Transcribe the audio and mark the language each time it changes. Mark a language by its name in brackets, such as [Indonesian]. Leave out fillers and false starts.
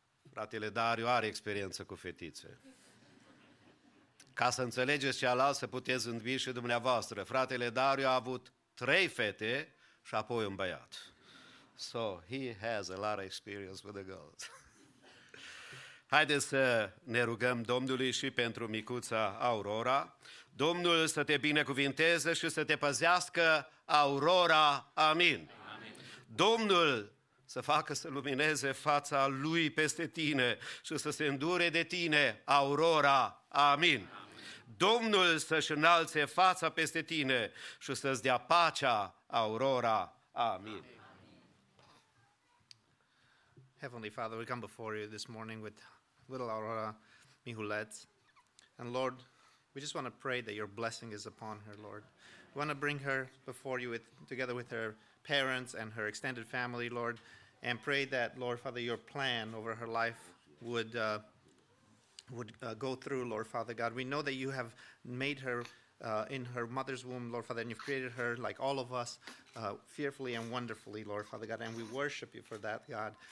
[Romanian] Fratele Dariu are experiență cu fetițe. Ca să înțelegeți cealaltă, să puteți zândi și dumneavoastră. Fratele Dario a avut 3 fete și apoi un băiat. [English] So, he has a lot of experience with the girls. [Romanian] Haideți să ne rugăm Domnului și pentru micuța Aurora. Domnul să te binecuvinteze și să te păzească, Aurora. Amin. Amin. Domnul să facă să lumineze fața lui peste tine și să se îndure de tine, Aurora. Amin. Amin. Domnul să-și înalțe fața peste tine și să-ți dea pacea, Aurora. Amin. Amin. [English] Heavenly Father, we come before you this morning with little Aurora Mihulet. And Lord, we just want to pray that your blessing is upon her, Lord. We want to bring her before you with, together with her parents and her extended family, Lord, and pray that, Lord Father, your plan over her life would go through, Lord Father God. We know that you have made her in her mother's womb, Lord Father, and you've created her like all of us, fearfully and wonderfully, Lord Father God, and we worship you for that, God.